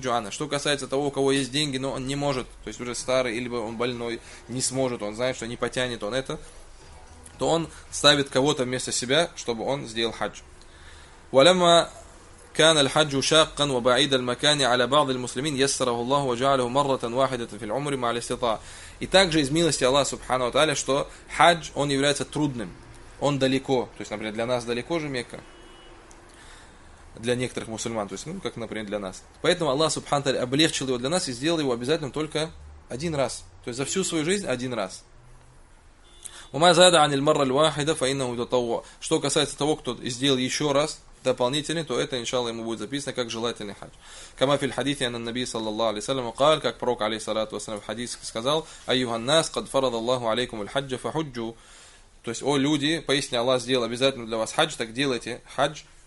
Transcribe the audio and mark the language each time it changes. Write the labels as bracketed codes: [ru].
[ru] Что касается того, у кого есть деньги, но он не может, то есть уже старый, либо он больной, не сможет, он знает, что не потянет он это, то он ставит кого-то вместо себя, чтобы он сделал хадж. [ar] كان الحج شاقا وبعيد المكان على بعض المسلمين يسره الله وجعله مرة واحدة في العمر مع الاستطاعة. [ru] И также из милости Аллаха Субхана ва Тааля, что хадж, он является трудным. Он далеко. То есть, например, для нас далеко же Мекка. Для некоторых мусульман. То есть, ну, как, например, для нас. Поэтому Аллах Субхана ва Тааля облегчил его для нас и сделал его обязательным только один раз. То есть, за всю свою жизнь один раз. [ar] وما زاد عن المرة الواحدة فإنه تطوع. [ru] Что касается того, кто сделал еще раз, дополнительный, то это, иншаллах, ему будет записано как желательный хадж. [ar] Кама фил хадиси анна наби саллаллаху алейхи ва саллям قال, [ru] как пророк алейхиссалату ва саллям в хадисе сказал: [ar] "Айюхан нас, кад фарада Аллаху алейкум аль-хаджа фа худжу". [ru] То есть, о люди, поистине Аллах сделал обязательно для вас хадж, так делайте хадж.